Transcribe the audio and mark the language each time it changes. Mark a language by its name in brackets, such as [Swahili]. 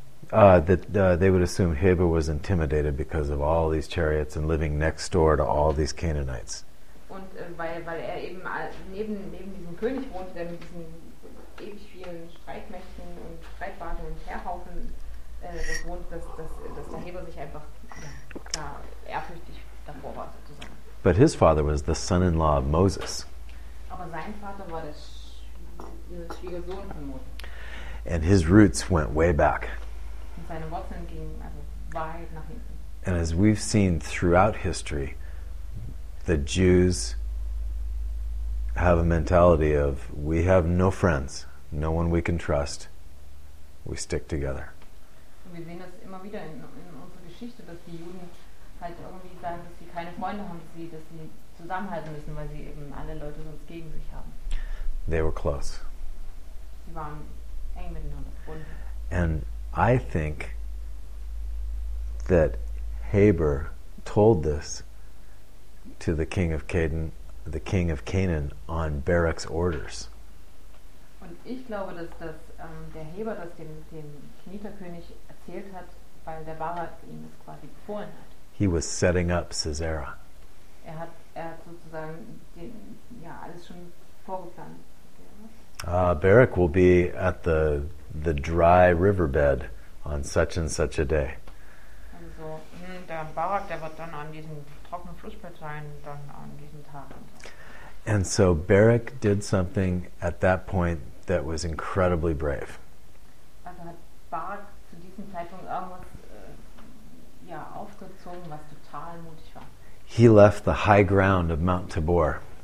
[English] They would assume Heber was intimidated because of all these chariots and living next door to all these Canaanites. [German] Und weil er eben neben diesem König wohnt, der mit diesen ewig vielen Streitmächten und Streitwagen und Heerhaufen dass der Heber sich einfach da ehrfürchtig davor war, sozusagen. [English] But his father was the son-in-law of Moses. [German] Aber sein Vater war der Schwiegersohn von Moses. [English] And his roots went way back. [German] Und seine Wurzeln gingen, also weit nach hinten. [English] And as we've seen throughout history, the Jews have a mentality of, we have no friends, no one we can trust, we stick together. [German] Wir sehen das immer wieder in unserer Geschichte, dass die Juden halt irgendwie sagen, dass sie keine Freunde haben, dass sie zusammenhalten müssen, weil sie eben alle Leute sonst gegen sich haben. [English] They were close. [German] Sie waren eng miteinander verbunden. [English] And I think that Heber told this to the king of Canaan, the king of Canaan, on Barak's orders. [German] Und ich glaube, dass das der Heber das dem Kniterkönig erzählt hat, weil der Barak ihm das quasi befohlen hat. [English] He was setting up Sisera. [German] Er hat sozusagen den, ja, alles schon vorgeplant. [English] Barak will be at the dry riverbed on such and such a day. [German] Also, der Barak, der wird dann an diesem trockenen Flussbett sein, dann an diesem Tag. [English] And so Barak did something at that point that was incredibly brave. [German] Also hat Barak zu diesem Zeitpunkt irgendwas aufgezogen, was total mutig war. [English] He left the high ground of Mount Tabor.